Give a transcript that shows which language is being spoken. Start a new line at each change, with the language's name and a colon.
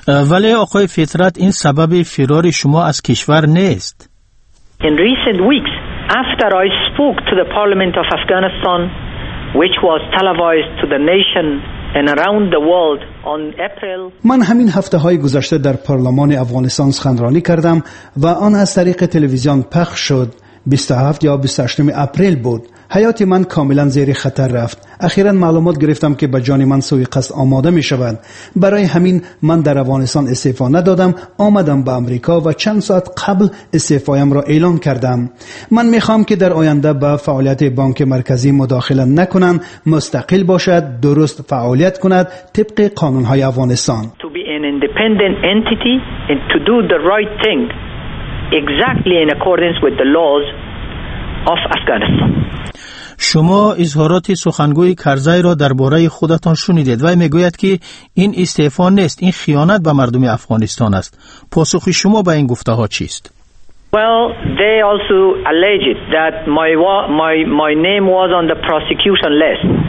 Persian: ولی آقای فطرت، این سبب فرار شما از کشور نیست.
English: In recent weeks, after I spoke to the Parliament of Afghanistan, which was televised to the nation and around the world on April.
Persian: من همین هفته‌های گذشته در پارلمان افغانستان سخنرانی کردم و آن از طریق تلویزیون پخش شد. 27 یا 28 اپریل بود. حیات من کاملا زیر خطر رفت. اخیرا معلومات گرفتم که به جان من سوی قصد آماده می شوند. برای همین من در افغانستان استعفا ندادم، آمدم به امریکا و چند ساعت قبل استعفایم را اعلان کردم. من می خواهم که در آینده به فعالیت بانک مرکزی مداخله نکنند، مستقل باشد، درست فعالیت کند طبق قانون های افغانستان.
English: To be an independent entity and to do the right thing exactly in accordance with the laws of Afghanistan.
Persian: شما اظهارات سخنگوی کرزی را درباره خودتان شنیدید و میگوید که این استعفا نیست، این خیانت به مردم افغانستان است. پاسخ شما به این گفته ها چیست؟
English: Well, they also alleged that my name was on the prosecution list.